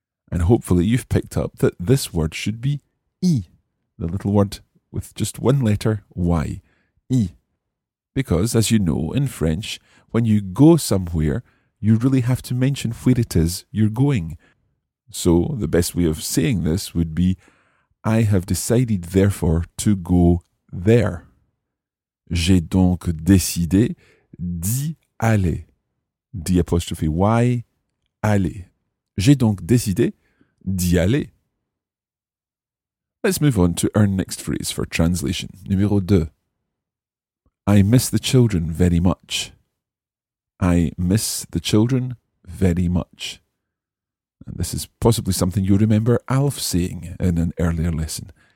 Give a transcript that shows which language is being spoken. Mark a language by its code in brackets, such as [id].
[en] And hopefully you've picked up that this word should be I, the little word with just one letter, Y, I. Because, as you know, in French, when you go somewhere, you really have to mention where it is you're going. So the best way of saying this would be, I have decided, therefore, to go there. [fr] J'ai donc décidé d'y aller. D' apostrophe Y, aller. J'ai donc décidé d'y aller. [en] Let's move on to our next phrase for translation. Numéro 2. I miss the children very much. I miss the children very much. This is possibly something you remember Alf saying in an earlier lesson.